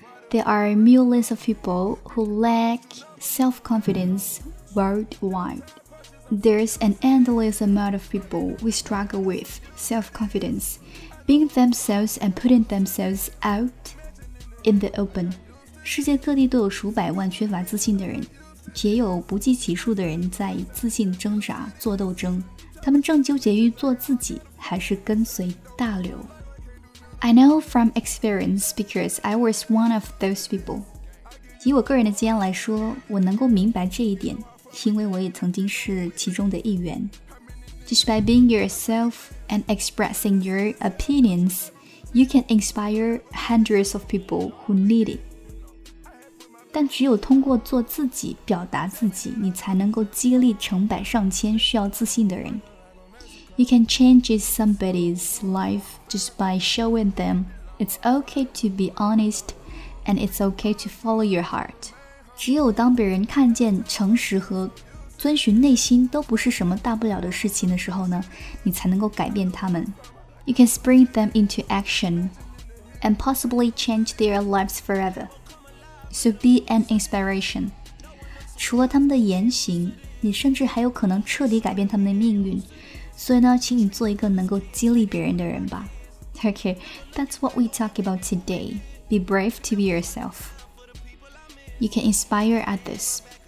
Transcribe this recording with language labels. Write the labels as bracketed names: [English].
[English] There are millions of people who lack self-confidence worldwide. There's an endless amount of people who struggle with self-confidence, being themselves and putting themselves out in the open. [Chinese] 世界各地都有数百万缺乏自信的人，也有不计其数的人在自信挣扎、做斗争。他们正纠结于做自己还是跟随大流。 [English] I know from experience because I was one of those people. [Chinese] 以我个人的经验来说，我能够明白这一点，因为我也曾经是其中的一员。 [English] Just by being yourself and expressing your opinions, you can inspire hundreds of people who need it. [Chinese] 但只有通过做自己、表达自己，你才能够激励成百上千需要自信的人。 [English] You can change somebody's life just by showing them it's okay to be honest and it's okay to follow your heart. [Chinese] 只有当别人看见诚实和遵循内心都不是什么大不了的事情的时候呢，你才能够改变他们。 [English] You can spring them into action and possibly change their lives forever. So be an inspiration. [Chinese] 除了他们的言行，你甚至还有可能彻底改变他们的命运。所以呢，请你做一个能够激励别人的人吧。 [English] Okay, that's what we talk about today. Be brave to be yourself. You can inspire others.